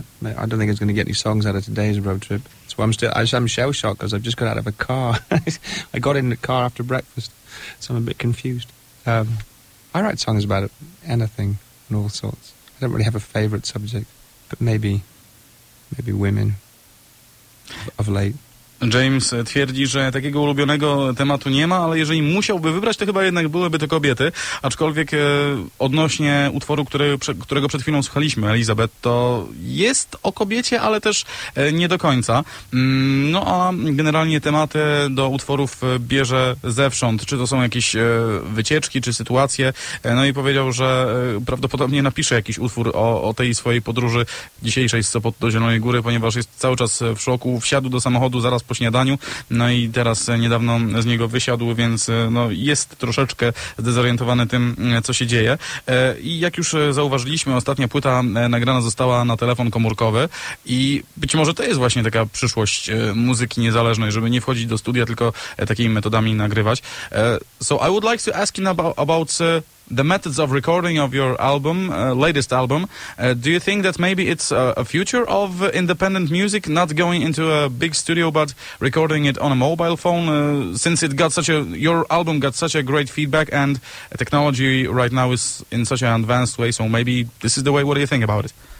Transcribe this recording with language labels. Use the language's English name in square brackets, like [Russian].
[English] I don't think it's going to get any songs out of today's road trip. So I'm shell-shocked because I've just got out of a car. I got in the car after breakfast, so I'm a bit confused. I write songs about anything and all sorts. I don't really have a favorite subject, but maybe women of late. [Polish] James twierdzi, że takiego ulubionego tematu nie ma, ale jeżeli musiałby wybrać, to chyba jednak byłyby to kobiety. Aczkolwiek odnośnie utworu, którego przed chwilą słuchaliśmy, Elizabeth, to jest o kobiecie, ale też nie do końca. No a generalnie tematy do utworów bierze zewsząd. Czy to są jakieś wycieczki, czy sytuacje. No i powiedział, że prawdopodobnie napisze jakiś utwór o tej swojej podróży dzisiejszej z Sopotu do Zielonej Góry, ponieważ jest cały czas w szoku, wsiadł do samochodu, zaraz po śniadaniu, no i teraz niedawno z niego wysiadł, więc no, jest troszeczkę zdezorientowany tym, co się dzieje. I jak już zauważyliśmy, ostatnia płyta nagrana została na telefon komórkowy i być może to jest właśnie taka przyszłość muzyki niezależnej, żeby nie wchodzić do studia, tylko takimi metodami nagrywać. [English] So I would like to ask you about the methods of recording of your album, latest album. Do you think that maybe it's a future of independent music, not going into a big studio, but recording it on a mobile phone, since it got such a, your album got such a great feedback and technology right now is in such an advanced way, so maybe this is the way. What do you think about it?